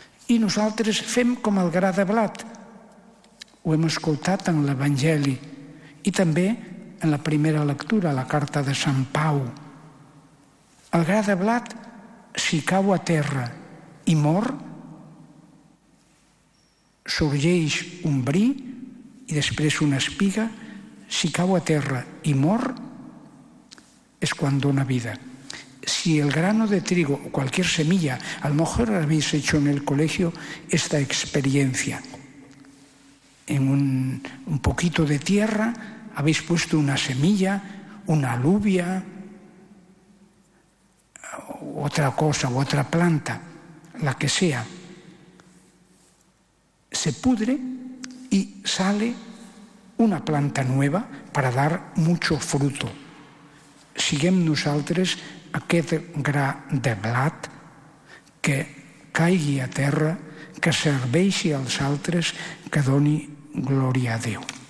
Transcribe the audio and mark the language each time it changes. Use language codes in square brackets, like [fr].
[ca] I nosaltres fem com el gra de blat. Ho hem escoltat en l'Evangeli i també en la primera lectura, la carta de Sant Pau. El gra de blat, si cau a terra i mor, sorgeix un bri i després una espiga. Si cau a terra i mor, és quan dona vida. [es] Si el grano de trigo o cualquier semilla, a lo mejor habéis hecho en el colegio esta experiencia. En un poquito de tierra habéis puesto una semilla, una alubia, otra cosa, u otra planta, la que sea. Se pudre y sale una planta nueva para dar mucho fruto. [ca] Siguem nosaltres aquest gra de blat que caigui a terra, que serveixi als altres, que doni glòria a Déu.